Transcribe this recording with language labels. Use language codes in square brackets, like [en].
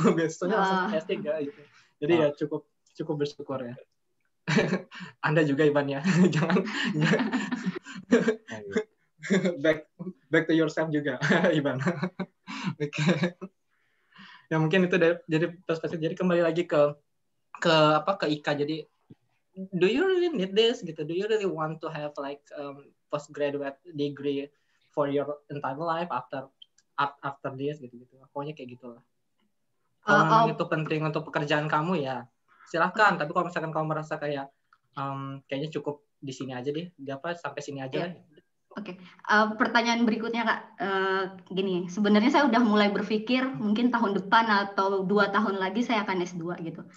[id] Biasanya langsung S3 gitu. Jadi ya cukup bersyukur ya. Anda juga Iban ya. Jangan. [en] back to yourself [id] juga, Iban. Oke. Okay. Ya mungkin itu jadi perspektif. Jadi kembali lagi ke Ika. Jadi, [en] do you really need this? [id] Gitu. [en] Do you really want to have like postgraduate degree for your entire life after this? [id] Gitu. Pokoknya kayak gitulah. Kalau itu penting untuk pekerjaan kamu ya, silahkan. Tapi kalau misalkan kamu merasa kayak kayaknya cukup di sini aja deh, sampai sini aja. Oke. Okay. Pertanyaan berikutnya Kak, gini. Sebenarnya saya udah mulai berpikir mungkin tahun depan atau 2 tahun lagi saya akan S2 gitu.